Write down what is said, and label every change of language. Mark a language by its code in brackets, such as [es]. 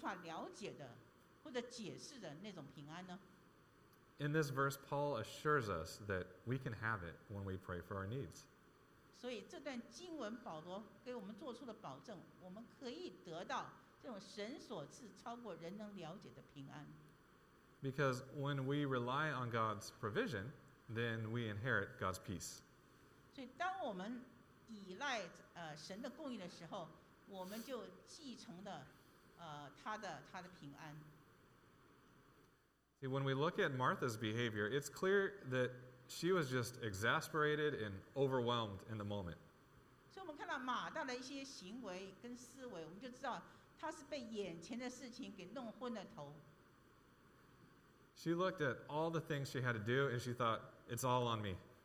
[zh] 您愿不愿意有这样一个平安，很深的、很深层的一种平安，是你不能够外人是无法了解的或者解释的那种平安呢？ [en] In this verse, Paul assures us that we can have it when we pray for our needs. [zh] 所以这段经文保罗给我们做出的保证，我们可以得到这种神所赐超过人能了解的平安。 [en] Because when we rely on God's provision, then we inherit God's peace. [zh] 所以当我们依赖神的供应的时候，我们就继承了他的平安。 [en] See, when we look at Martha's behavior, it's clear that she was just exasperated and overwhelmed in the moment. She looked at all the things she had to do and she thought, it's all on me.